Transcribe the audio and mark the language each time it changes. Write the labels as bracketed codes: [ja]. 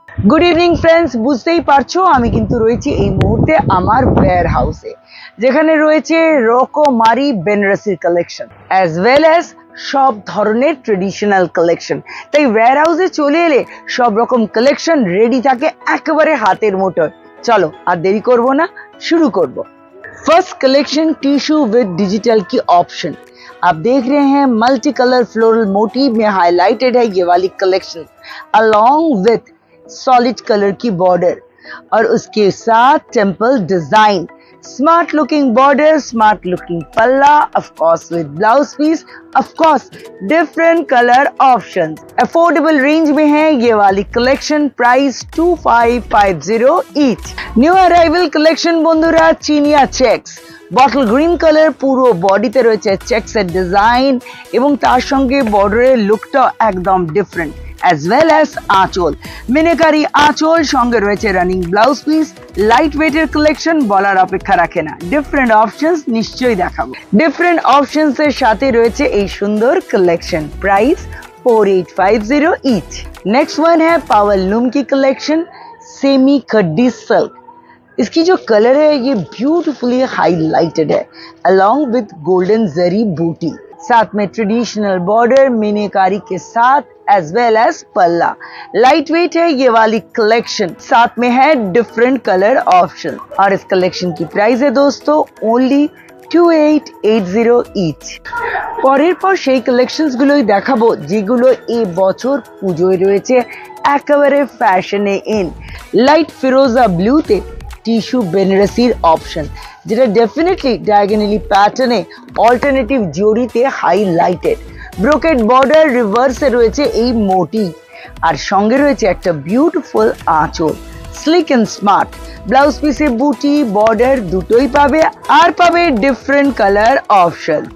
[bn] Good evening friends, বুঝতেই পারছো আমি কিন্তু রয়েছি এই মুহূর্তে আমার ওয়্যার হাউসে, যেখানে রয়েছে রকমারি বেনারসির কালেকশন অ্যাজ ওয়েল অ্যাজ সব ধরনের ট্রেডিশনাল কালেকশন। তাই ওয়্যার হাউসে চলে এলে সব রকম কালেকশন রেডি থাকে একেবারে হাতের মুঠোয়। চলো আর দেরি করব না, শুরু করব। First collection, tissue with digital কি অপশন। [hi] आप देख रहे हैं मल्टी कलर फ्लोरल मोटिव में हाईलाइटेड है ये वाली collection along with solid colour की बॉर्डर और उसके साथ temple design, smart looking border, smart looking पल्ला, of course with blouse piece, of course different colour options. Affordable range में है ये वाली collection, price 2550 each. [bn] New arrival collection बंधुरा चीनिया चेक्स বটল গ্রিন কালার, পুরো বডিতে রয়েছে চেকস এর ডিজাইন এবং তার সঙ্গে বর্ডারের লুকটা একদম ডিফারেন্ট, অ্যাজ ওয়েল অ্যাজ আঁচল, মিনিকারি আঁচল, সঙ্গে রয়েছে running blouse piece. Light weight এর কালেকশন বলার অপেক্ষা রাখে না, ডিফারেন্ট অপশনস নিশ্চয়ই দেখাবো। ডিফারেন্ট অপশনস এর সাথে রয়েছে এই সুন্দর collection, price 4850 each. [hi] Next one হ্যায় পাওয়ার লুম কি কালেকশন, সেমি খাদি সিল্ক। इसकी जो कलर है ये ब्यूटीफुली हाइलाइटेड है अलोंग विद गोल्डन जरी बूटी, साथ में ट्रेडिशनल बॉर्डर मीनाकारी के साथ एज वेल एज पल्ला। लाइट वेट है ये वाली कलेक्शन, साथ में है डिफरेंट कलर ऑप्शन और इस कलेक्शन की प्राइस है दोस्तों ओनली 2880 ईच। [bn] পরের পর সেই কালেকশনস গুলোই দেখাবো যেগুলো এই বছর পূজোয় রয়েছে একেবারে ফ্যাশনে in. Light Firoza ব্লুতে tissue বেনারসির option, যেটা ডেফিনেটলি ডায়াগোনালি প্যাটার্নে অল্টারনেটিভ জড়িতে হাইলাইটেড, ব্রোকেড বর্ডার, রিভার্সে রয়েছে এই মোটি আর সঙ্গে রয়েছে একটা বিউটিফুল আঁচল, স্লিক অ্যান্ড স্মার্ট, ব্লাউজ পিসে বুটি বর্ডার দুটোই পাবে আর পাবে ডিফারেন্ট কালার অপশন।